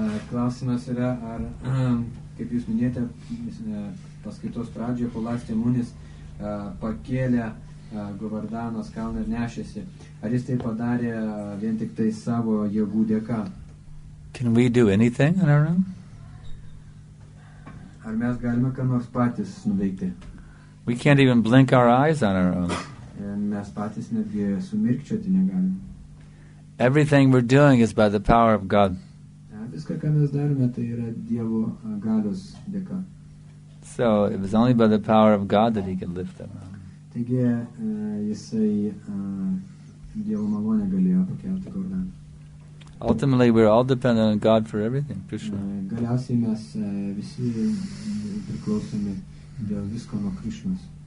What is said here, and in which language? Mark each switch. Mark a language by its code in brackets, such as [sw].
[lt] Klausimas yra, ar, kaip jūs minėjote, paskaitos pradžioje Palastya Munis pakėlė Govardanos kalną ir nešėsi. Ar jis tai padarė vien tik tai savo jėgų dėka? [en] Can we do anything on our own? [lt] Ar mes galime ką nors patys nuveikti? [en] We can't even blink our eyes on our own. [lt] Mes patys netgi sumirkčioti negalime. [en] Everything we're doing is by the power of God. [lt] Viską, ką mes darome, tai yra Dievo galios dėka. [en] So, it was only by the power of God that he could lift them up. [lt] Taigi, jisai Dievo malonę galėjo pakelti Govardhaną. [en] Ultimately, we're all dependent on God for everything, Krishna. [lt] Galiausiai mes visi priklausome dėl visko nuo Krishnos.